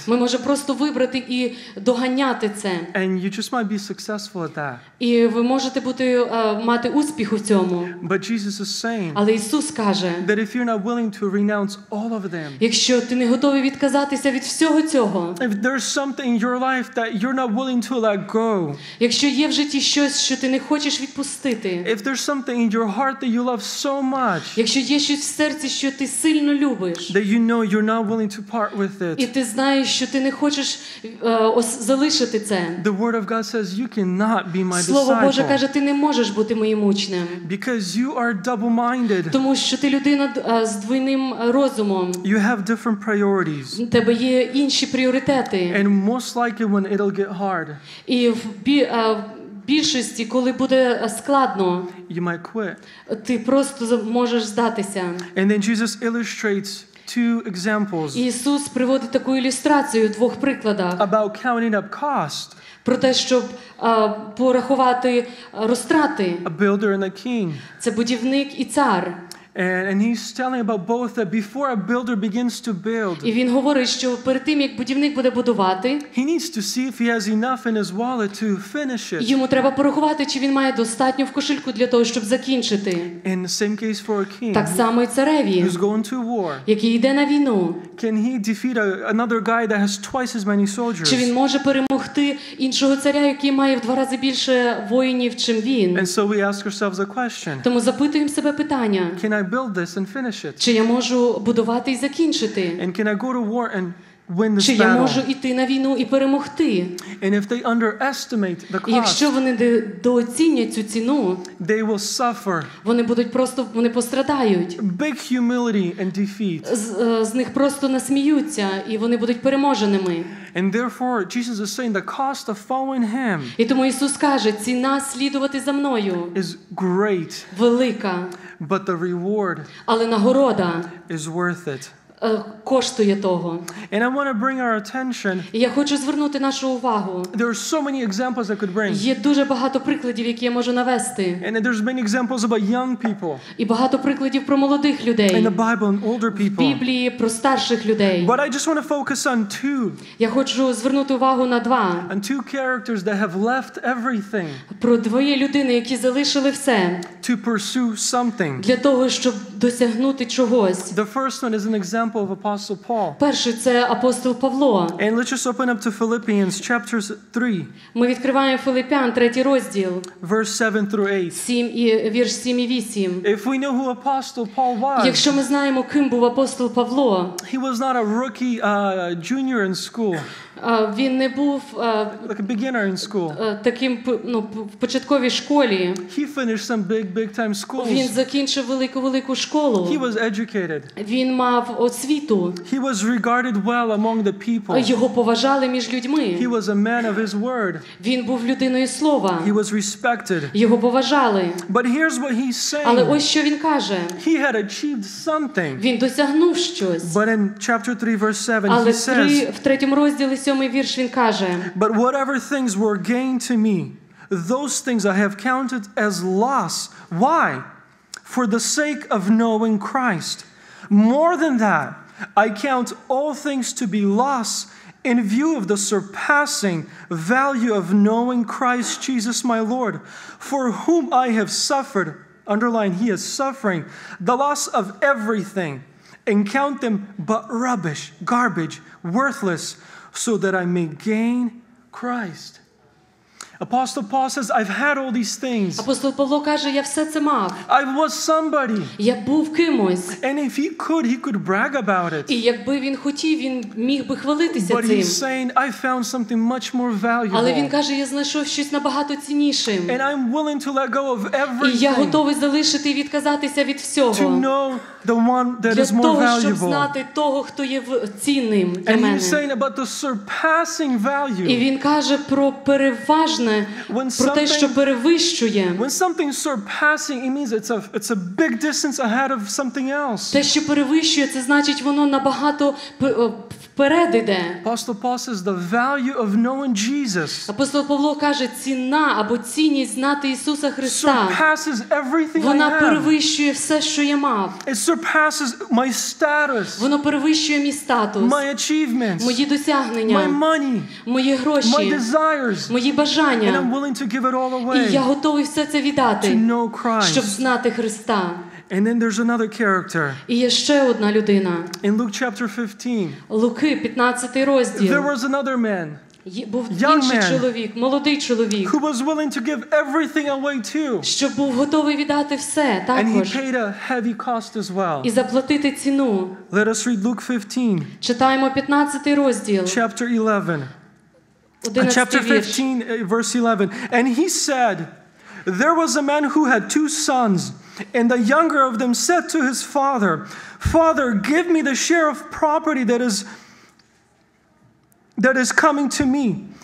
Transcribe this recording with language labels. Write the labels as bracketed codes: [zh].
[uk] Ми можемо просто вибрати і доганяти це. [en] And you just might be successful at that. [uk] І ви можете бути мати успіх у цьому. [en] But Jesus is saying, [uk] але Ісус каже, [en] that if you're not willing to renounce all of them, [uk] якщо ти не готовий відказатися від всього цього, [en] if there's something in your life that you're not willing to let go, [uk] якщо є в житті щось, що ти не хочеш відпустити, [en] if there's something in your heart that you love so much, [uk] якщо є щось в серці, що ти сильно любиш, [en] that you know you're not willing to part with it, [uk] і ти знаєш, що ти не хочеш залишити це, [en] the word of God says you cannot be my disciple. [uk] Слово Боже каже, ти не можеш бути моїм учнем. [en] Because you are double-minded. [uk] Тому що ти людина з двійним розумом. [en] You have different priorities. [uk] У тебе є інші пріоритети. [en] And most likely when it'll get hard. [uk] І в більшості, коли буде складно, [en] you might quit. [uk] Ти просто можеш здатися. [en] And then Jesus illustrates two examples. [uk] Ісус приводить таку ілюстрацію в двох прикладах. [en] About counting up cost. [uk] Про те, щоб порахувати розтрати. [en] A builder and a king. [uk] Це будівник і цар. [en] And he's telling about both that before a builder begins to build, [uk] і він говорить, що перед тим, як будівник буде будувати, [en] he needs to see if he has enough in his wallet to finish it. [uk] Йому треба порахувати, чи він має достатньо в кошельку для того, щоб закінчити. [en] In the same case for a king, [uk] так само і цареві, [en] who's going to war, [uk] який йде на війну, [en] can he defeat another guy that has twice as many soldiers? [uk] Чи він може перемогти іншого царя, який має в два рази більше воїнів, чим він? [en] And so we ask ourselves a question. [uk] Тому запитуємо себе питання. [en] Can I build this and finish it? [uk] Чи я можу будувати і закінчити? [en] And can I go to war and win this battle? [uk] Чи я можу іти на війну і перемогти? [en] And if they underestimate the cost, [uk] якщо вони недооцінять цю ціну, [en] they will suffer. [uk] Вони будуть просто, вони пострадають. [en] Big humility and defeat. [uk] З них просто насміються і вони будуть переможеними. [en] And therefore, Jesus is saying the cost of following him, [uk] і тому Ісус каже, ціна слідувати за мною, [en] is great. [uk] Велика. [en] But the reward, [uk] але нагорода, [en] is worth it. [uk] Коштує того. [en] And I want to bring our attention. [uk] Я хочу звернути нашу увагу. [en] There are so many examples I could bring. [uk] Є дуже багато прикладів, які я можу навести. [en] And there's many examples about young people. [uk] І багато прикладів про молодих людей. [en] In the Bible and older people. [uk] В Біблії про старших людей. [en] But I just want to focus on two. [uk] Я хочу звернути увагу на два. [en] And two characters that have left everything. [uk] Про двоє людини, які залишили все. [en] To pursue something. [uk] Для того, щоб досягнути чогось. [en] The first one is an example of Apostle Paul. [uk] Перший це апостол Павло. [en] And let's just open up to Philippians chapter 3. [uk] Ми відкриваємо Филиппіан, третій розділ. [en] Verse 7 through 8. [uk] 7 і вірш 7 і 8. [en] If we know who Apostle Paul was, [uk] якщо ми знаємо, ким був апостол Павло, [en] he was not a rookie junior in school. [uk] Він не був [en] like a beginner in school. [uk] Таким, ну, в початковій школі. [en] He finished some big time schools. [uk] Він закінчив велику школу. [en] He was educated. [uk] Він мав освіту. світу. [en] He was regarded well among the people. [uk] Його поважали між людьми. [en] He was a man of his word. [uk] Він був людиною слова. [en] He was respected. [uk] Його поважали. [en] But here's what he's saying. [uk] Але ось що він каже. [en] He had achieved something. [uk] Він досягнув щось. [en] But in chapter 3 verse 7 he says. [uk] Але в 3-му розділі 7-й вірш він каже. [en] But whatever things were gained to me, those things I have counted as loss. Why? For the sake of knowing Christ. More than that, I count all things to be loss in view of the surpassing value of knowing Christ Jesus my Lord, for whom I have suffered, underline, he is suffering, the loss of everything, and count them but rubbish, garbage, worthless, so that I may gain Christ. Apostle Paul says, I've had all these things. [uk] Апостол Павло каже, я все це мав. [en] I was somebody. [uk] Я був кимось. [en] And if he could, he could brag about it. [uk] І якби він хотів, він міг би хвалитися цим. [en] But he's saying, I found something much more valuable. [uk] Але він каже, я знайшов щось набагато ціннішим. [en] And I'm willing to let go of everything. [uk] І я готовий залишити і відказатися від всього. [en] To know the one that [uk] для [en] is more [uk] того, [en] valuable. [uk] Щоб знати того, хто є цінним для [en] And [uk] мене. [en] He's saying about the surpassing value. [uk] І він каже про переважне. Про те, що перевищує. [en] When something surpassing, it means it's a big distance ahead of something else. [uk] Те, що перевищує, це значить, воно набагато вперед іде. [en] Apostle Paul says the value of knowing Jesus. [uk] Апостол Павло каже, ціна або цінність знати Ісуса Христа. [en] Surpasses everything I have. [uk] Вона перевищує все, що я мав. [en] It surpasses my status. [uk] Воно перевищує мій статус. [en] My achievements. [uk] Мої досягнення. [en] My money. [uk] Мої гроші. [en] My desires. [uk] Мої бажання. [en] And I'm willing to give it all away. [uk] І я готовий все це віддати, [en] to know Christ. [uk] Щоб знати Христа. [en] And then there's another character. [uk] І є ще одна людина. [en] In Luke chapter 15. [uk] Луки 15 розділ. [en] There was another man. [uk] Був інший чоловік, молодий чоловік. [en] Who was willing to give everything away too. [uk] Що був готовий віддати все також. [en] And he paid a heavy cost as well. [uk] І заплатити ціну. [en] Let us read Luke 15. [uk] Читаємо 15 розділ. [en] Chapter 11. Chapter 15, verse 11. And he said, there was a man who had two sons, and the younger of them said to his father, Father, give me the share of property that is coming to me.